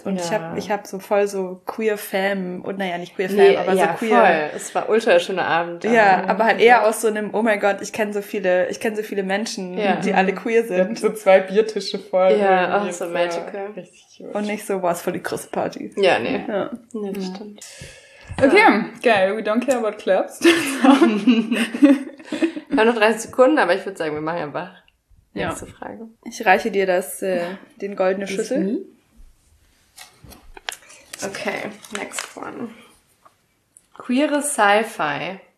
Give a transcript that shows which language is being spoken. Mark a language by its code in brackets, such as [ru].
[de] Und ich hab so voll so Queer-Fam. Und naja, nicht Queer-Fam, aber ja, so Queer... Ja, voll. Es war ultra schöner Abend. Ja, aber halt eher aus so einem, oh mein Gott, ich kenne so viele Menschen, die alle queer sind. So zwei Biertische voll. Ja, auch so magical. Richtig. Und nicht so, boah, es voll die krasse Party. Ja, nee. Ja. Nee, das stimmt. [en] Okay, [de] geil, [en] we don't care about clubs. [de] Wir haben noch 30 Sekunden, aber ich würde sagen, wir machen einfach die nächste Frage. Ich reiche dir das, den goldene Schlüssel. [en] Okay, next one. [de] Queere Sci-Fi.